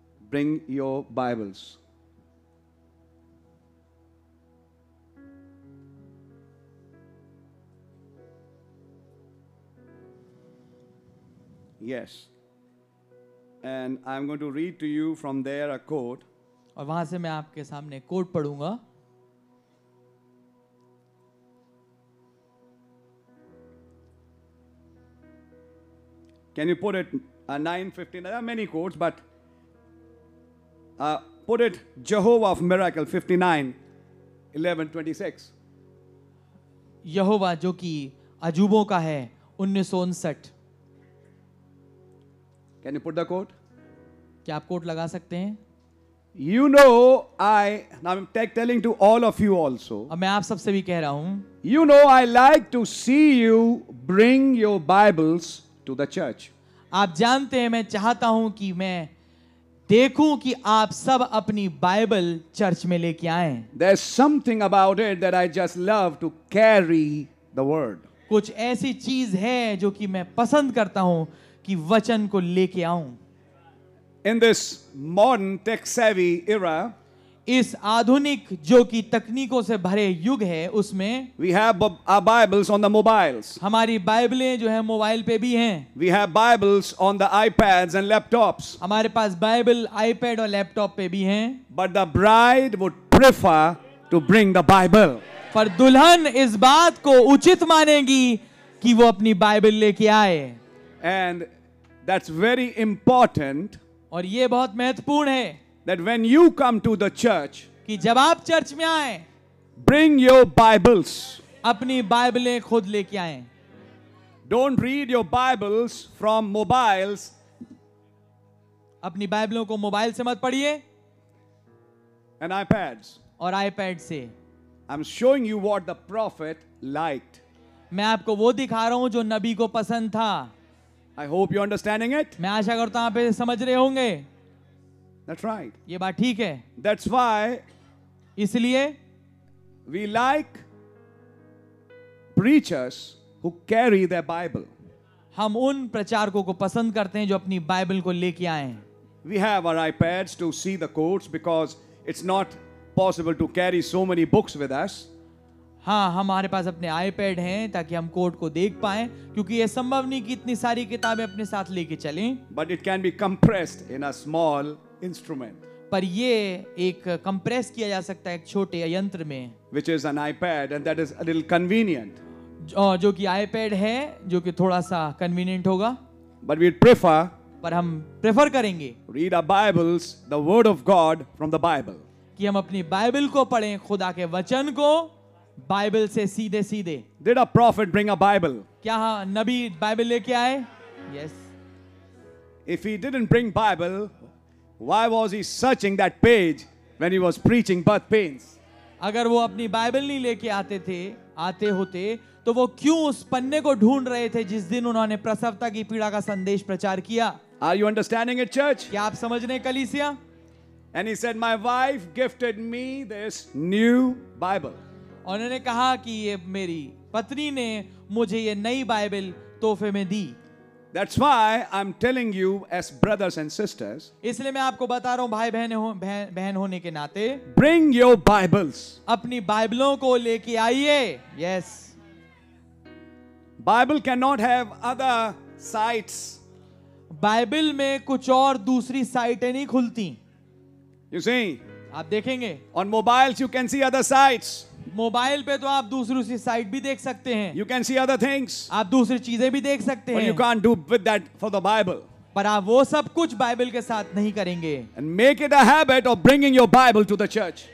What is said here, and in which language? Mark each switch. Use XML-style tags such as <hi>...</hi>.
<en>Bring your Bibles. Yes. And I'm going to read to you from there a quote.</en> <hi>और वहां से मैं आपके सामने quote पढ़ूंगा।</hi> <en>Can you put it 9:15? There are many quotes, but put it Jehovah of Miracle 59:11-26.</en> <hi>Jehovah, जो कि अजूबों का है, 1959.</hi> <en>Can you put the quote?</en> <hi>क्या आप quote लगा सकते हैं?</hi> <en>You know, I now I'm telling to all of you also.</en> <hi>अब मैं आप सब से भी कह रहा हूँ।</hi> <en>You know, I like to see you bring your Bibles to the church.</en> <hi>आप जानते हैं मैं चाहता हूं कि मैं देखूं कि आप सब अपनी बाइबल चर्च में लेके आए।</hi> <en>There's something about it that I just love to carry the the word.</en> <hi>कुछ ऐसी चीज है जो कि मैं पसंद करता हूं कि वचन को लेके आऊं.</hi> <en>In this modern tech-savvy era,</en> <hi>इस आधुनिक जो कि तकनीकों से भरे युग है उसमें</hi> <en>we have our Bibles on the mobiles.</en> <hi>हमारी बाइबलें जो है मोबाइल पे भी हैं.</hi> <en>We have Bibles on the iPads and laptops.</en> <hi>हमारे पास बाइबल आईपैड और लैपटॉप पे भी हैं.</hi> <en>But the bride would prefer to bring the Bible.</en> <hi>पर दुल्हन इस बात को उचित मानेगी कि वो अपनी बाइबल लेके आए.</hi> <en>And that's very important.</en> <hi>और ये बहुत महत्वपूर्ण है.</hi> <en>That when you come to the church,</en> <hi>कि जब आप चर्च में आए,</hi> <en>bring your Bibles.</en> <hi>अपनी बाइबलें खुद लेके आए.</hi> <en>Don't read your Bibles from mobiles.</en> <hi>अपनी बाइबलों को मोबाइल से मत पढ़िए.</hi> <en>And iPads.</en> <hi>और आईपैड से.</hi> <en>I'm showing you what the prophet liked.</en> <hi>मैं आपको वो दिखा रहा हूं जो नबी को पसंद था.</hi> <en>I hope you're understanding it.</en> <hi>मैं आशा करता हूं आप इसे समझ रहे होंगे.</hi> <en>That's right.</en> <hi>ये बात ठीक है.</hi> <en>That's why.</en> <hi>इसलिए.</hi> <en>We like preachers who carry their Bible.</en> <hi>हम उन प्रचारकों को पसंद करते हैं जो अपनी बाइबल को लेके आए हैं.</hi> <en>We have our iPads to see the quotes because it's not possible to carry so many books with us.</en> <hi>हाँ, हमारे पास अपने iPad हैं ताकि हम कोट को देख पाएं क्योंकि ये संभव नहीं कि इतनी सारी किताबें अपने साथ लेके चलें.</hi> <en>But it can be compressed in a small instrument.</en> <hi>पर ये एक compress किया जा सकता है एक छोटे यंत्र में.</hi> <en>Which is an iPad and that is a little convenient.</en> <hi>जो कि iPad है जो कि थोड़ा सा convenient होगा.</hi> <en>But we'd prefer.</en> <hi>पर हम prefer करेंगे.</hi> <en>Read our Bibles, the Word of God from the Bible.</en> <hi>कि हम अपनी बाइबल को पढ़ें खुदा के वचन को बाइबल से सीधे सीधे.</hi> <en>Did a prophet bring a Bible?</en> <hi>क्या नबी बाइबल लेके आए?</hi> <en>Yes. If he didn't bring Bible, why was he searching that page when he was preaching birth pains?</en> <hi>अगर वो अपनी बाइबल नहीं लेके आते होते तो वो क्यों उस पन्ने को ढूंढ रहे थे जिस दिन उन्होंने प्रसवता की पीड़ा का संदेश प्रचार किया?</hi> <en>Are you understanding it, church?</en> <hi>क्या आप समझ रहे कलीसिया?</hi> <en>And he said, "My wife gifted me this new Bible."</en> <hi>और उन्होंने कहा कि ये मेरी पत्नी ने मुझे ये नई बाइबल तोहफे में दी.</hi> <en>That's why I'm telling you, as brothers and sisters.</en> <hi>इसलिए मैं आपको बता रहा हूँ भाई बहन होने के नाते.</hi> <en>Bring your Bibles.</en> <hi>अपनी बाइबलों को लेके आइए. Yes.</hi> <en>Bible cannot have other sites.</en> <hi>Bible में कुछ और दूसरी साइटें नहीं खुलती.</hi> <en>You see,</en> <hi>आप देखेंगे.</hi> <en>On mobiles, you can see other sites.</en> <hi>Mobile पे तो आप दूसरी साइट भी देख सकते हैं.</hi> <en>You can see other things.</en> <hi>आप दूसरी चीजें भी देख सकते हैं.</hi> <en>But you can't do with that for the Bible.</en> <hi>पर आप वो सब कुछ बाइबल के साथ नहीं करेंगे.</hi> <en>And make it a habit of bringing your Bible to the church.</en>